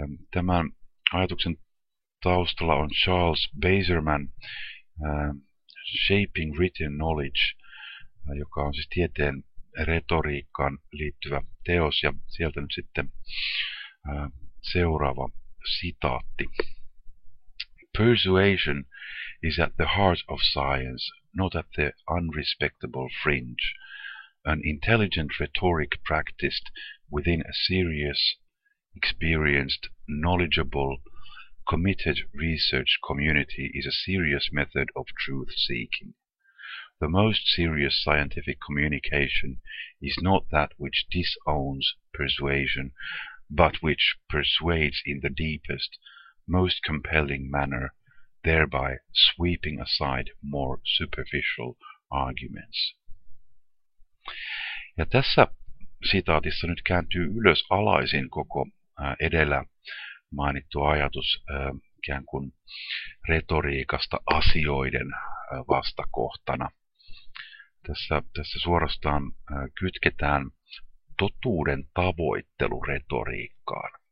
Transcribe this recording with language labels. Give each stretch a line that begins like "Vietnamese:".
Finnish: Tämän ajatuksen taustalla on Charles Bazerman Shaping Written Knowledge, joka on siis tieteen retoriikkaan liittyvä teos, ja sieltä nyt sitten seuraava sitaatti.
English: Persuasion is at the heart of science, not at the unrespectable fringe. An intelligent rhetoric practiced within a serious, experienced, knowledgeable, committed research community is a serious method of truth-seeking. The most serious scientific communication is not that which disowns persuasion, but which persuades in the deepest, most compelling manner, thereby sweeping aside more superficial arguments.
Finnish: Ja tässä sitaatissa nyt kääntyy ylös alaisin koko edellä mainittu ajatus ikään kuin retoriikasta asioiden vastakohtana. Tässä suorastaan kytketään totuuden tavoittelu retoriikkaan.